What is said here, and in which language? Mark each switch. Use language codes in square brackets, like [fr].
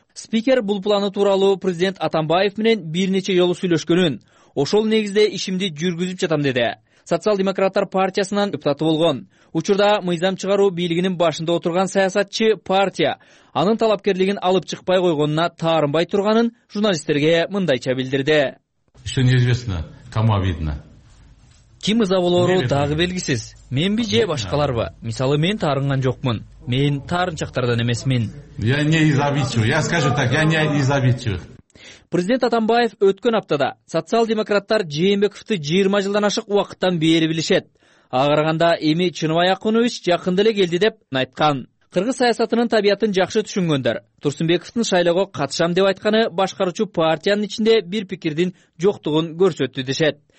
[ky] Спикер бул планы тууралуу президент Атамбаев менен бир нече жолу сүйлөшкөнүн, ошол негизде ишимди жүргүзүп жатам деди. Социал-демократтар партиясынан депутаты болгон. Учурда мыйзам чыгаруу бийлигинин башында отурган саясатчы партия анын талапкерлигин алып чыкпай койгонуна таарынбай турганын журналисттерге мындайча билдирди. [ru] Что неизвестно, кому обидно. [ky] Ким ыза болоору дагы белгисиз. Менби же башкаларбы? Мисалы мен таарынган жокмун. Мен таарынчактардан эмесмин. [ru] Я не из обидчивых. Я скажу так, я не из обидчивых. [ky] Президент Атамбаев өткөн аптада социал-демократтар Жээнбековду 20 жылдан ашык убакыттан бери билишет. агарганда эми чынбай акынович жакында эле келди деп айткан. Кыргыз саясатынын табиятын жакшы түшүнгөндөр Турсунбековдун шайлоого катышам деп айтканы башкаруучу партиянын ичинде бир пикирдин жоктугун көрсөттү дешет.